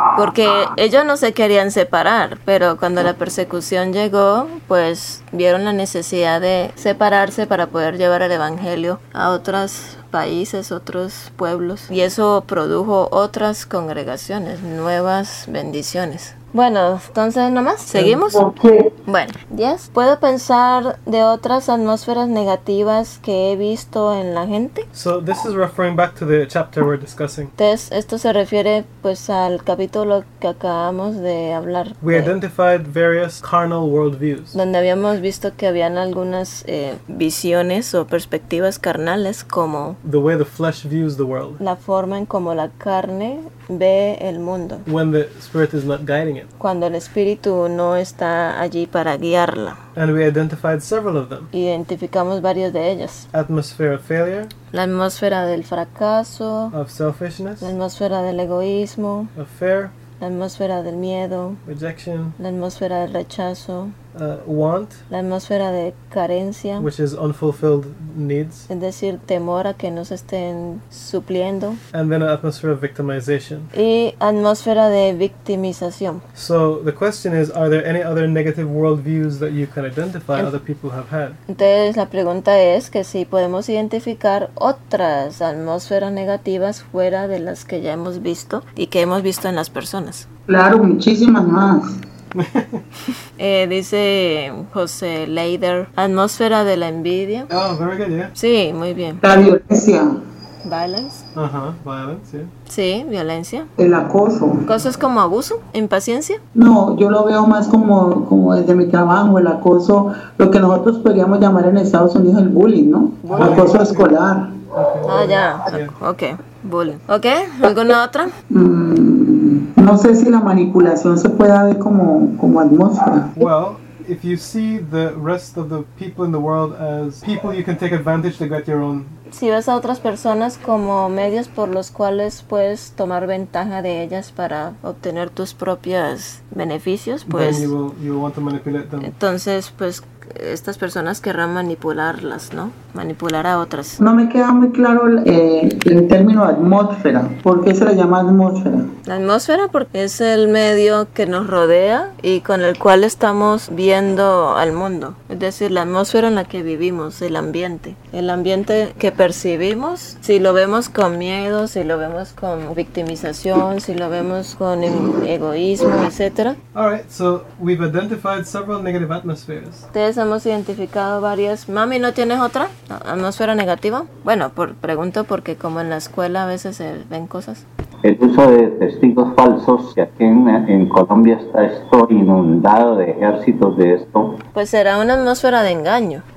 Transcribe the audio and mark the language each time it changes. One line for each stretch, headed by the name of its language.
Spanish: Porque ellos no se querían separar, pero cuando la persecución llegó, pues vieron la necesidad de separarse para poder llevar el evangelio a otros países, otros pueblos, y eso produjo otras congregaciones, nuevas bendiciones. Bueno, entonces nomás, ¿seguimos? Okay. Bueno, yes. ¿Puedo pensar de otras atmósferas negativas que he visto en la gente?
English: So this is referring back to the chapter we're discussing.
Spanish: Entonces, esto se refiere pues al capítulo que acabamos de hablar.
English: We identified various carnal worldviews.
Spanish: Donde habíamos visto que habían algunas visiones o perspectivas carnales como
English: the way the flesh views the world.
Spanish: La forma en como la carne ve el mundo.
English: When the spirit is not guiding it.
Spanish: Cuando el espíritu no está allí para guiarla.
English: And we identified several of them.
Spanish: Identificamos varios de ellos.
English: Atmosphere of failure.
Spanish: La atmósfera del fracaso.
English: Of selfishness.
Spanish: La atmósfera del egoísmo.
English: Of fear.
Spanish: La atmósfera del miedo.
English: Rejection.
Spanish: La atmósfera del rechazo.
English: Want.
Spanish: La atmósfera de carencia.
English: Which is unfulfilled needs.
Spanish: Es decir, temor a que no se estén supliendo.
English: And then an atmosphere of victimization.
Spanish: Y atmósfera de victimización.
English: So the question is, are there any other negative worldviews that you can identify other people have had?
Spanish: Entonces la pregunta es que si podemos identificar otras atmósferas negativas fuera de las que ya hemos visto y que hemos visto en las personas. Claro, muchísimas más. Dice José Leider, atmósfera de la envidia.
English: Oh, very good, yeah.
Spanish: Sí, muy bien. La violencia.
English: Violence. Violence,
Spanish: sí. Sí, violencia. El acoso. ¿Cosas como abuso? ¿Impaciencia? No, yo lo veo más como desde mi trabajo, el acoso, lo que nosotros podríamos llamar en Estados Unidos el bullying, ¿no? Bullying. Acoso escolar. Okay. Ah, ya. Yeah. Ok, bullying. Ok, ¿alguna otra? No sé si la manipulación se puede ver como atmósfera.
English: Well, if you see the rest of the people in the world as people you can take advantage to get your own.
Spanish: Si ves a otras personas como medios por los cuales puedes tomar ventaja de ellas para obtener tus propios beneficios, pues
English: then you will want to manipulate them.
Spanish: Entonces, pues estas personas querrán manipularlas, ¿no? Manipular a otras. No me queda muy claro el término atmósfera. ¿Por qué se le llama atmósfera? La atmósfera, porque es el medio que nos rodea y con el cual estamos viendo al mundo. Es decir, la atmósfera en la que vivimos, el ambiente. El ambiente que percibimos, si lo vemos con miedo, si lo vemos con victimización, si lo vemos con egoísmo, etc.
English: All right, so we've identified several negative atmospheres.
Spanish: Ustedes hemos identificado varias. Mami, ¿no tienes otra atmósfera negativa? Bueno, pregunto porque como en la escuela a veces se ven cosas. El uso de testigos falsos, que aquí en Colombia está esto inundado de ejércitos de esto. Pues será una atmósfera de engaño.